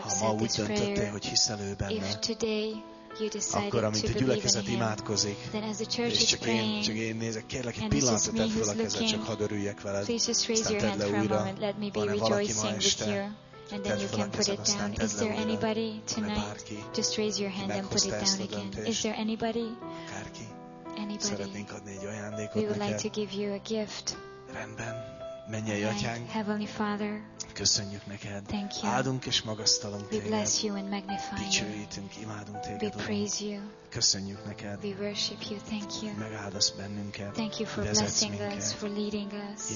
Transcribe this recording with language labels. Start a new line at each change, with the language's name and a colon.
Hungarian: ha ma úgy döntöttél, hogy hiszel ő benne, akkor, amint a gyülekezet imádkozik,
English: him,
Hungarian: és csak én nézek, kérlek, egy pillanatot tedd fel a kezed, csak hadd örüljek veled, aztán tedd le újra, van-e valaki ma este,
English: and then you can put it down. Is there anybody tonight? Just raise your hand and put it down again. Is there anybody? Anybody? We would like to give you a gift.
Hungarian: Rendben. Mennyei Atyánk,
English: Heavenly Father,
Hungarian: köszönjük neked.
English: Thank you.
Hungarian: Áldunk és magasztalunk téged.
English: We bless you and magnify you.
Hungarian: Dicsőítünk, imádunk téged.
English: We praise you.
Hungarian: Köszönjük neked.
English: We worship you. Thank you.
Hungarian: Megáldasz bennünket.
English: Thank you for blessing us, for leading us.